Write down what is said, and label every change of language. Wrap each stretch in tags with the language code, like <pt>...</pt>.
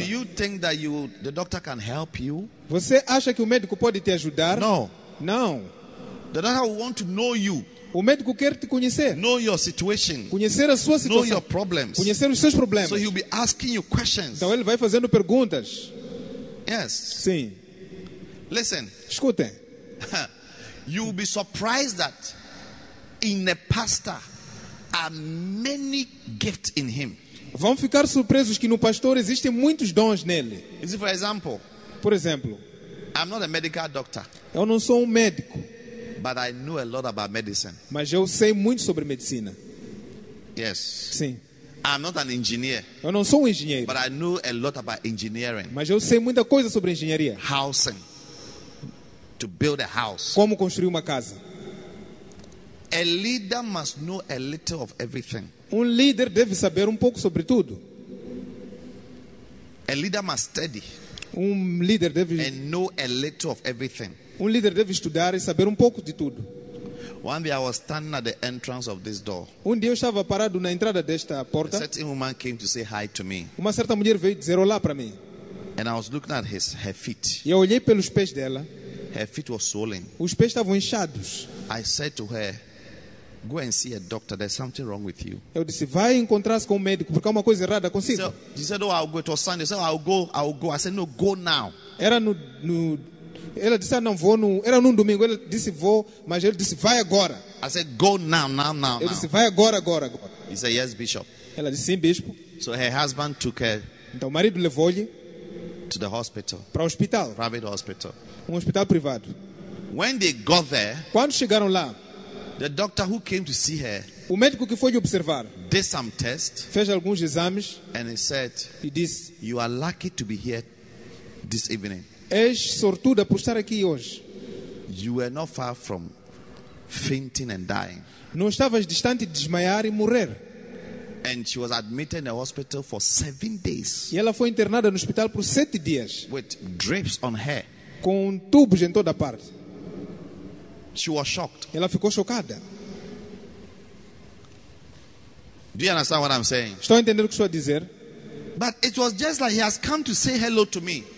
<en>Do you think that you, the doctor can help you?</en> <pt>Você acha que o médico pode te ajudar?</pt> <en>No.</en> <pt>Não.</pt> <en>The doctor will want to know you.</en> <pt>O médico quer te conhecer.</pt> <en>Know your situation.</en> <pt>Conhecer a sua situação.</pt> <en>Know your problems.</en> <pt>Conhecer os seus problemas.</pt> <en>So he'll be asking you questions.</en> <pt>Então ele vai fazendo perguntas.</pt> <en>Yes.</en> <pt>Sim.</pt> <en>Listen.</en> <pt>Escute.</pt> <en>You will be surprised that in a pastor are many gifts in him.</en> <pt>Vão ficar surpresos que no pastor existem muitos dons nele.</pt> <en>Is it for example?</en> <pt>Por exemplo.</pt> <en>I'm not a medical doctor.</en> <pt>Eu não sou médico.</pt> <en>But I know a lot about medicine.</en> <pt>Mas eu sei muito sobre medicina.</pt> <en>Yes.</en> <pt>Sim.</pt> <en>I'm not an engineer.</en> <pt>Eu não sou engenheiro.</pt> <en>But I know a lot about engineering.</en> <pt>Mas eu sei muita coisa sobre engenharia.</pt> <en>Housing. To build a house.</en> <pt>Como construir uma casa.</pt> <en>A leader must know a little of everything.</en> <pt>Líder deve saber pouco sobre tudo.</pt> <en>A leader must study.</en> <pt>Líder deve</pt> <en>and know a little of everything.</en> <pt>Líder deve estudar e saber pouco de tudo.</pt> <en>One day I was standing at the entrance of this door.</en> <pt>Dia eu estava parado na entrada desta porta.</pt> <en>A certain woman came to say hi to me.</en> <pt>Uma certa mulher veio dizer olá para mim.</pt> <en>And I was looking at her feet.</en> <pt>Eu olhei pelos pés dela.</pt> <en>Her feet were swollen.</en> <pt>Os pés estavam inchados.</pt> <en>I said to her, go and see a doctor. There's something wrong with you.</en> <pt>Eu disse, vai encontrar-se com médico porque há uma coisa errada consigo.</pt> <en>She said, oh, I'll go. It was Sunday. She said, I'll go. I said, no, go now.</en> <pt>Era no ela disse, não vou no. Era num domingo. Ela disse, vou, mas ele disse, vai agora.</pt> <en>I said, go now.</en> <pt>Ele disse, vai agora.</pt> <en>He said, yes, bishop.</en> <pt>Ela disse, sim, bispo.</pt> <en>So her husband took her.</en> <pt>Então o marido levou-lhe</pt> <en>to the hospital.</en> <pt>Para o hospital.</pt> <en>Private hospital.</en> <pt>Hospital privado.</pt> <en>When they got there,</en> <pt>quando chegaram lá,</pt> <en>the doctor who came to see her,</en> <pt>o médico que foi observar,</pt> <en>did some test,</en> <pt>fez alguns exames,</pt> <en>and he said,</en> <pt>e disse,</pt> <en>you are lucky to be here this evening.</en> <pt>És sortuda por estar aqui hoje.</pt> <en>You were not far from fainting and dying.</en> <pt>Não estavas distante de desmaiar e morrer.</pt> <en>And she was admitted in the hospital for 7 days.</en> <pt>E ela foi internada no hospital por 7 dias.</pt> <en>With drips on her.</en> <pt>Com tubos em toda a parte.</pt> <en>She was shocked.</en> <pt>Ela ficou chocada.</pt> <en>Do you understand what I'm saying?</en> <pt>Estou entendendo o que estou a dizer?</pt> <en>But it was just like he has come to say hello to me.</en>